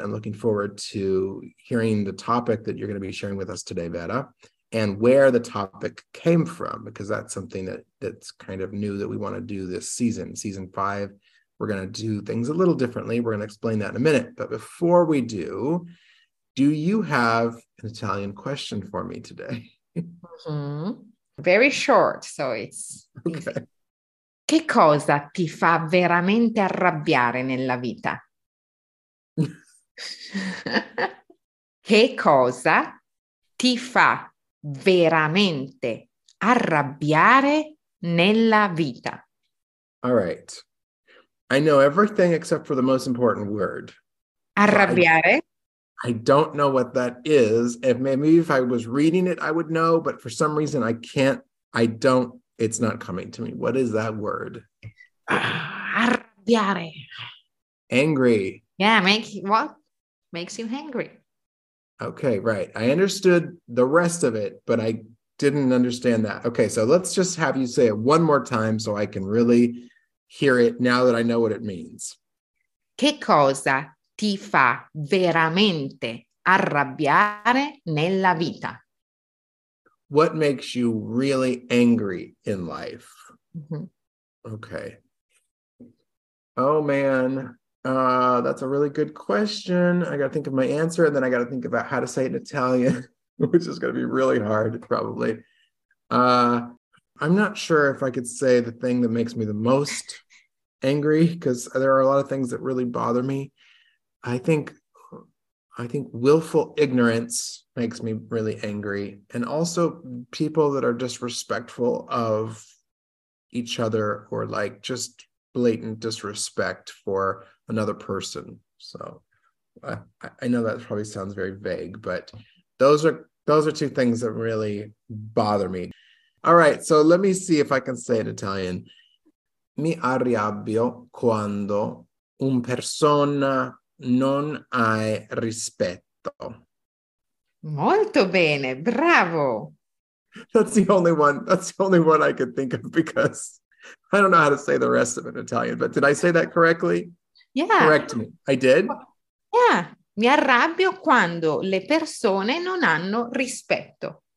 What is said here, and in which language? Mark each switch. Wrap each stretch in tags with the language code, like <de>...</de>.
<en>I'm looking forward to hearing the topic that you're going to be sharing with us today, Vera, and where the topic came from, because that's something that's kind of new that we want to do this season. Season 5, we're going to do things a little differently. We're going to explain that in a minute. But before we do you have an Italian question for me today? Mm-hmm. Very short, so it's okay.</en> <it>Che cosa ti fa veramente arrabbiare nella vita? Che cosa ti fa veramente arrabbiare nella vita?</it> <en>All right. I know everything except for the most important word.</en> <it>Arrabbiare.</it> <en>I don't know what that is. If maybe if I was reading it, I would know. But for some reason, I can't. I don't. It's not coming to me. What is that word?</en> <it>Arrabbiare.</it> <en>Angry. Yeah, make what makes you angry. Okay, right. I understood the rest of it, but I didn't understand that. Okay, so let's just have you say it one more time so I can really hear it now that I know what it means.</en> <it>Che cosa ti fa veramente arrabbiare nella vita?</it> <en>What makes you really angry in life? Mm-hmm. Okay. Oh, man. That's a really good question. I got to think of my answer, and then I got to think about how to say it in Italian, which is going to be really hard, probably. I'm not sure if I could say the thing that makes me the most angry, because there are a lot of things that really bother me. I think willful ignorance makes me really angry, and also people that are disrespectful of each other, or like just blatant disrespect for another person. So I know that probably sounds very vague, but those are two things that really bother me. All right, so let me see if I can say it in Italian.</en> <it>Mi arrabbio quando un persona non ha rispetto. Molto bene, bravo.</it> <en>That's the only one I could think of, because I don't know how to say the rest of it in Italian, but did I say that correctly? Yeah. Correct me. I did? Yeah.</en> <it>Mi arrabbio quando le persone non hanno rispetto.</it>